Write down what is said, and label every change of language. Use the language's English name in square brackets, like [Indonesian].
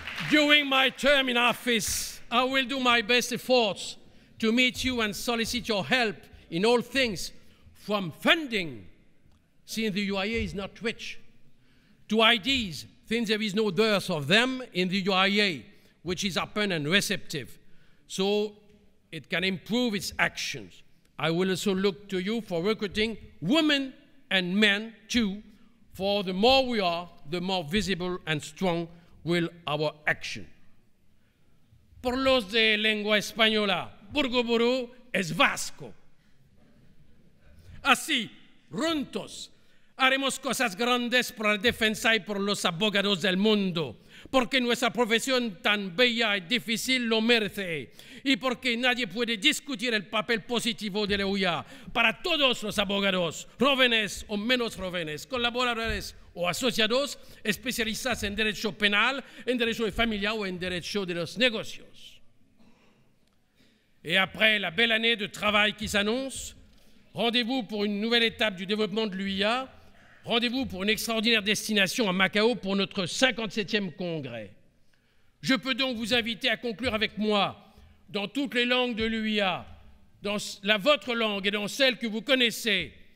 [English] During my term in office, I will do my best efforts to meet you and solicit your help in all things, from funding, since the UIA is not rich, to IDs, since there is no dearth of them in the UIA, which is open and receptive, so it can improve its actions. I will also look to you for recruiting women and men too, for the more we are, the more visible and strong will our action. [Spanish] Por los de lengua española, Burgu-Buru es vasco. Así, juntos, haremos cosas grandes por la defensa y por los abogados del mundo, porque nuestra profesión tan bella y difícil lo merece, y porque nadie puede discutir el papel positivo de la UIA para todos los abogados, jóvenes o menos jóvenes, colaboradores o asociados, especializados en derecho penal, en derecho de familia o en derecho de los negocios. [French] Y après la belle année de travail qui s'annonce, rendez-vous pour une nouvelle étape du développement de l'UIA. Rendez-vous pour une extraordinaire destination à Macao pour notre 57e congrès. Je peux donc vous inviter à conclure avec moi dans toutes les langues de l'UIA, dans la votre langue et dans celle que vous connaissez.